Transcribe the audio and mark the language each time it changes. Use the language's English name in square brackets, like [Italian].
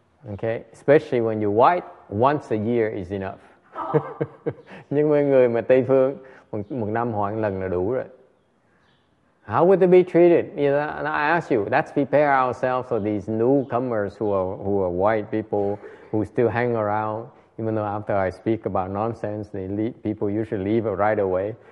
[English] Okay, especially when you white, once a year is enough. [Vietnamese] Nhưng mấy người mà Tây phương một năm hỏi một lần là đủ rồi. [English] How would they be treated? You know, I ask you, let's prepare ourselves for these newcomers who are white people who still hang around. Even though after I speak about nonsense, people usually leave right away.